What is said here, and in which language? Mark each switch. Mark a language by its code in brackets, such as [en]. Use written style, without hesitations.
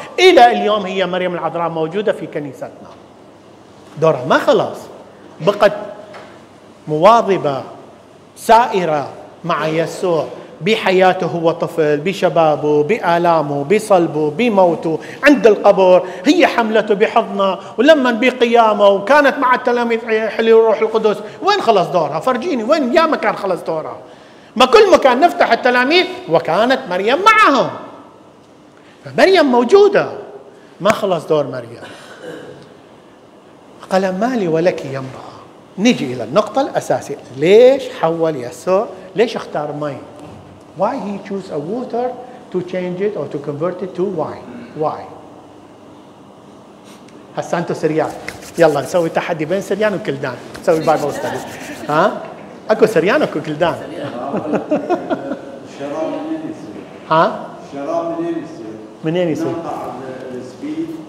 [ar] إلى اليوم هي مريم العذراء موجودة في كنيستنا، دورها ما خلاص، بقت مواظبة سائرة مع يسوع بحياته، هو طفل، بشبابه، بآلامه، بصلبه، بموته، عند القبر، هي حملته بحضنه، ولما بقيامه، وكانت مع التلاميذ حلي الروح القدس. وين خلص دورها؟ فرجيني وين يا مكان خلص دورها؟ ما كل مكان نفتح التلاميذ وكانت مريم معهم. فمريم موجودة، ما خلص دور مريم. قال ما لي ولك يا امرأة. نجي إلى النقطة الأساسية، ليش حول يسوع؟ ليش اختار مي؟ [en] Why he choose a water to change it or to convert it to wine? Why? [ar] هسا انتو سريان، يلا نسوي تحدي بين سريان وكلدان، نسوي بايبل ستدي. ها؟ اكو سريان اكو كلدان. الشراب منين يصير؟ ها؟ الشراب منين يصير؟ منين يصير؟ نقطع السبيد